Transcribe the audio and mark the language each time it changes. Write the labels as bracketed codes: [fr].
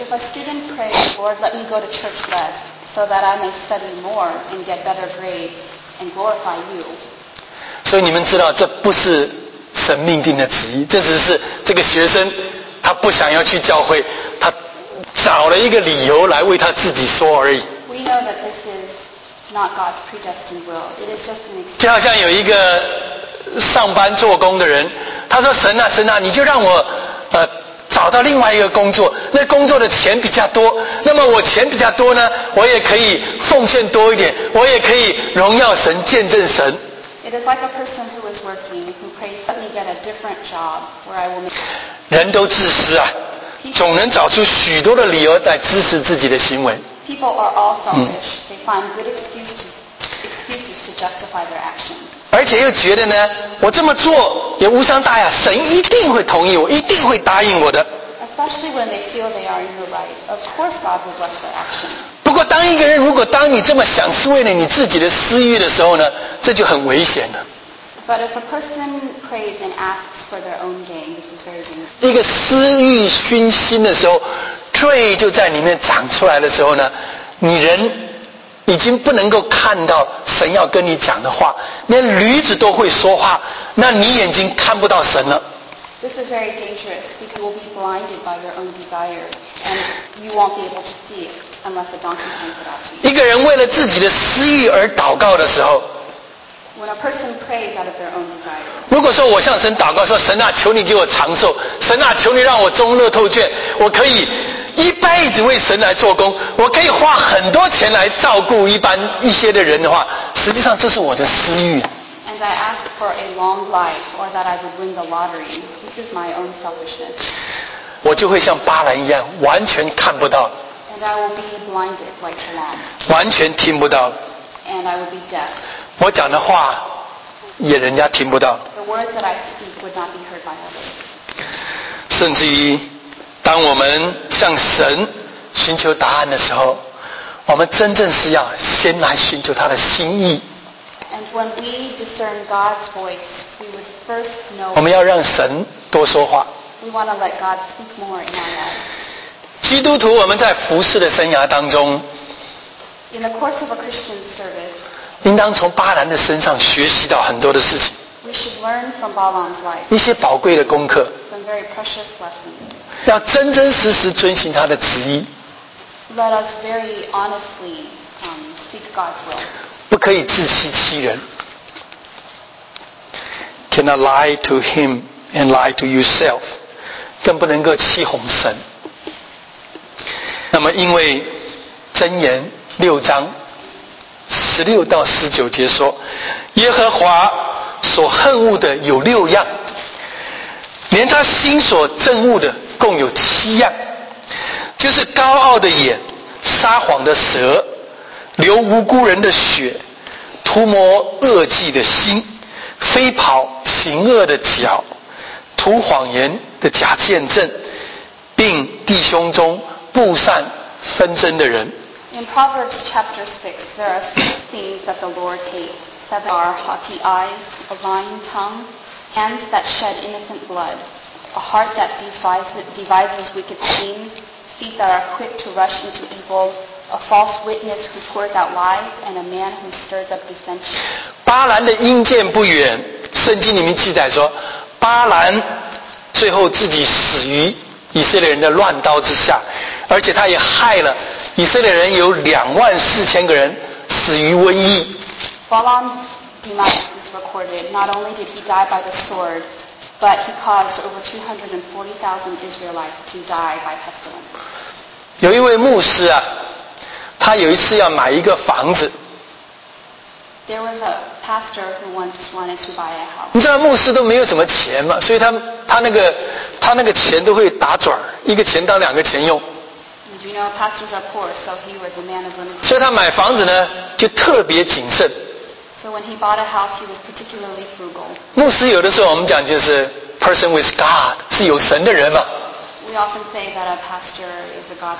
[en] If a student prays, Lord, let me go to church less, so that I may study more and get better grades and glorify you. [zh] 所以你们知道，这不是神命定的旨意，这只是这个学生他不想要去教会，他。找了一个理由来为他自己说而已。 [en] We know that this is not God's predestined will. It is just an excuse. [zh] 就好像有一个上班做工的人，他说：“神啊，你就让我找到另外一个工作，那工作的钱比较多。那么我钱比较多呢，我也可以奉献多一点，我也可以荣耀神、见证神。” [en] It is like a person who is working who prays, "Let me get a different job where I will make." [zh] 人都自私啊。总能找出许多的理由来支持自己的行为。 [en] People are all selfish. They find good excuses to justify their actions. [zh] 而且又觉得呢，我这么做也无伤大雅，神一定会同意我，一定会答应我的。 [en] Especially when they feel they are in the right, of course God will bless their actions. [zh] 不过，当一个人如果当你这么想是为了你自己的私欲的时候呢，这就很危险了。 [en] But if a person prays and asks for their own gain, this is very dangerous. [zh] 一个私欲熏心的时候，罪就在里面长出来的时候呢，你人已经不能够看到神要跟你讲的话，连驴子都会说话，那你眼睛看不到神了。 [en] This is very dangerous because you will be blinded by your own desires, and you won't be able to see it unless a donkey points it out to you. [zh] 一个人为了自己的私欲而祷告的时候。 [en] When a person prays out of their own desires. [zh] 如果说我向神祷告说，神啊，求你给我长寿，神啊，求你让我中乐透券，我可以一辈子为神来做工，我可以花很多钱来照顾一些的人的话，实际上这是我的私欲。 [en] And I ask for a long life, or that I would win the lottery. This is my own selfishness. [zh] 我就会像巴兰一样，完全看不到。 [en] And I will be blinded like Balaam. [zh] 完全听不到。 [en] And I will be deaf. [zh] 我讲的话也人家听不到。 [en] The words that I speak would not be heard by others. [zh] 甚至于，当我们向神寻求答案的时候，我们真正是要先来寻求他的心意。 [en] And when we discern God's voice, we would first know. [zh] 我们要让神多说话。 [en] We want to let God speak more in our lives. [zh] 基督徒，我们在服事的生涯当中。 [en] In the course of a Christian service. [zh] 应当从巴兰的身上学习到很多的事情。 [en] We should learn from Balaam's life. [zh] 一些宝贵的功课。 [en] Some very precious lessons. [zh] 要真真实实遵行他的旨意。 [en] Let us very honestly, seek God's will. [zh] 不可以自欺欺人。 [en] Cannot lie to him and lie to yourself. [zh] 更不能够欺哄神。那么因为箴言六章十六到十九节说，耶和华所恨恶的有六样，连他心所憎恶的共有七样，就是高傲的眼、撒谎的舌、流无辜人的血、涂抹恶迹的心、飞跑行恶的脚、涂谎言的假见证，并弟兄中不善纷争的人。 [en] In Proverbs chapter 6, there are six things that the Lord hates. Seven are haughty eyes, a lying tongue, hands that shed innocent blood, a heart that devises wicked schemes, feet that are quick to rush into evil, a false witness who pours out lies, and a man who stirs up dissension. [zh] 巴兰的阴间不远，圣经里面记载说，巴兰最后自己死于以色列人的乱刀之下，而且他也害了以色列人有两万四千个人死于瘟疫。 [en] Balaam's demise is recorded. Not only did he die by the sword, but he caused over 240,000 Israelites to die by pestilence. [zh] 有一位牧师啊，他有一次要买一个房子。 [en] There was a pastor who once wanted to buy a house. [zh] 你知道牧师都没有什么钱嘛，所以他那个钱都会打转，一个钱当两个钱用。 [en] You know, pastors are poor, so he was a man of limited. [zh] 所以他买房子呢，就特别谨慎。 [en] So when he bought a house, he was particularly frugal. [zh] 牧师有的时候我们讲就是 [en] person with God, [zh] 是有神的人嘛。 [en] We often say that a pastor is a God.